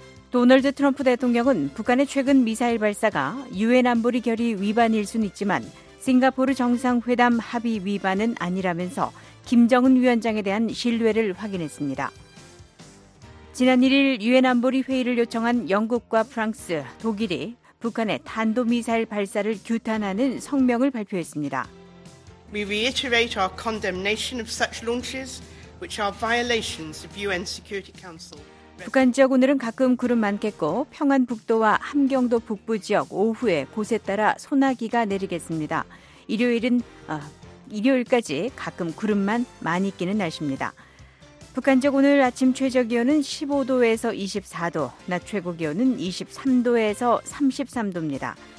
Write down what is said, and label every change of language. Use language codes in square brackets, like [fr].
[ko] 도널드 트럼프 대통령은 북한의 최근 미사일 발사가 유엔 안보리 결의 위반일 순 있지만 싱가포르 정상회담 합의 위반은 아니라면서 김정은 위원장에 대한 신뢰를 확인했습니다. 지난 1일 유엔 안보리 회의를 요청한 영국과 프랑스, 독일이 북한의 탄도미사일 발사를 규탄하는 성명을 발표했습니다. [en] We reiterate our condemnation of such launches, which are violations of UN Security Council. [ko] 북한 지역 오늘은 가끔 구름 많겠고 평안북도와 함경도 북부 지역 오후에 곳에 따라 소나기가 내리겠습니다. 일요일까지 가끔 구름만 많이 끼는 날씨입니다. 북한 지역 오늘 아침 최저 기온은 15도에서 24도, 낮 최고 기온은 23도에서 33도입니다.